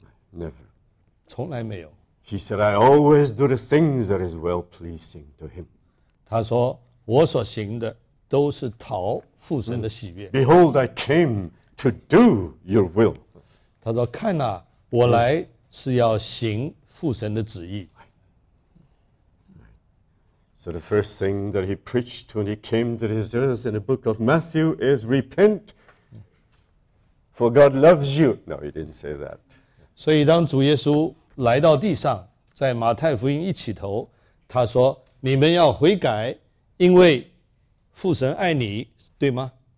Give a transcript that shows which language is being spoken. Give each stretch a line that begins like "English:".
English: Never.
Chinese: 从来没有。
English: He said, I always do the things that is well-pleasing to him.
Chinese: 他说我所行的都是讨父神的喜悦。
English: Behold, I came to do your will.
Chinese: 他说看啊我来是要行父神的旨意。
English: So the first thing that he preached when he came to his earth in the book of Matthew is repent, for God loves you. No, he didn't say that.
Chinese: 所以当主耶稣来到地上在马太福音一起头他说你们要悔改因为父神爱你对吗